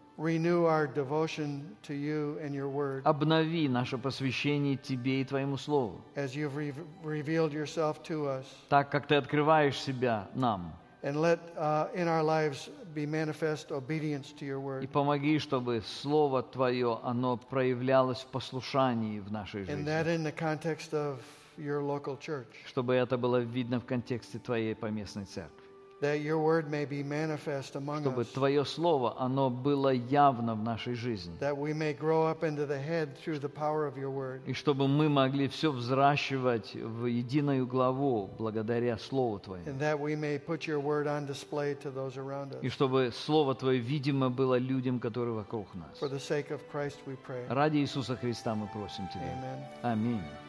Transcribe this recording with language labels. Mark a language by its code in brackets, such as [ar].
[en] renew our devotion to you and your word. [ru] Обнови наше посвящение Тебе и Твоему Слову. [en] As you've revealed yourself to us. [ru] Так, как Ты открываешь себя нам. [en] And let in our lives be manifest obedience to your word. [ru] И помоги, чтобы слово твое оно проявлялось в послушании в нашей жизни. [en] And that in the context of your local church. [ru] Чтобы это было видно в контексте твоей поместной церкви. [en] That your word may be manifest among us. [ru] Чтобы твое слово оно было явно в нашей жизни. [en] That we may grow up into the head through the power of your word. [ru] И чтобы мы могли все взращивать в единую главу благодаря слову твоему. [en] And that we may put your word on display to those around us. [ru] И чтобы слово твое видимо было людям, которые вокруг нас. [en] For the sake of Christ we pray. [ru] Ради Иисуса Христа мы просим тебя. [en] Amen. [ru] Аминь.